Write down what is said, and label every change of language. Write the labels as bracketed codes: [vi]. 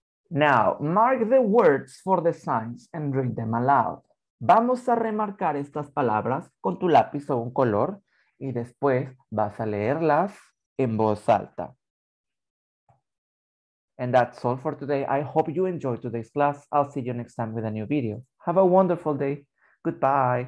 [en] Now, mark the words for the signs and read them aloud. [es] Vamos a remarcar estas palabras con tu lápiz o un color y después vas a leerlas en voz alta. [en] And that's all for today. I hope you enjoyed today's class. I'll see you next time with a new video. Have a wonderful day. Goodbye.